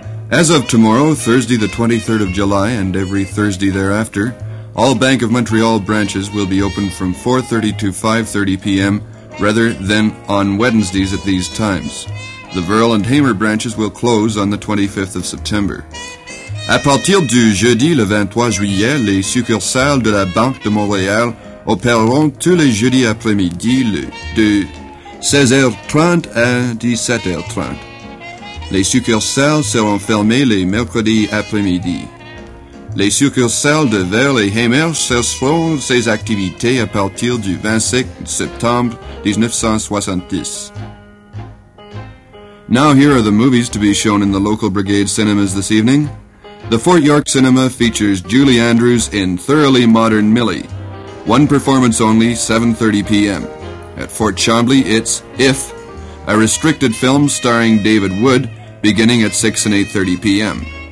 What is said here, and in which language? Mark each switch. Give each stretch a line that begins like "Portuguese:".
English: As of tomorrow, Thursday the 23rd of July, and every Thursday thereafter, all Bank of Montreal branches will be open from 4:30 to 5:30 p.m. rather than on Wednesdays at these times. The Verrill and Hamer branches will close on the 25th of September.
French: À partir du jeudi le 23 juillet, les succursales de la Banque de Montréal opéreront tous les jeudis après-midi de 16h30 à 17h30. Les succursales seront fermées les mercredis après-midi. Les succursales de Verrill et Hamer cesseront ses activités à partir du 25 septembre 1970.
English: Now here are the movies to be shown in the local Brigade cinemas this evening. The Fort York Cinema features Julie Andrews in Thoroughly Modern Millie. One performance only, 7:30 p.m. At Fort Chambly, it's If, a restricted film starring David Wood, beginning at 6 and 8:30 p.m.